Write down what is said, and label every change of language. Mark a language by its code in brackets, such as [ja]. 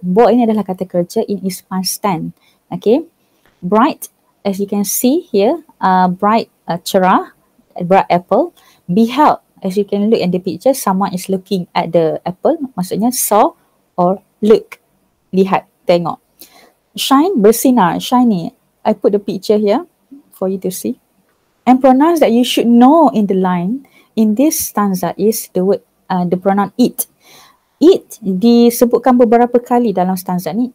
[ms] Bore ini adalah kata kerja [en] in its past tense. Okay, bright. As you can see here, bright, cerah, bright apple. Beheld, as you can look in the picture, someone is looking at the apple. [ms] Maksudnya saw or look, lihat, tengok. [en] Shine, bersinar, shiny. I put the picture here for you to see. And pronouns that you should know in the line, in this stanza is the word, the pronoun it. [ms] It disebutkan beberapa kali dalam stanza ni.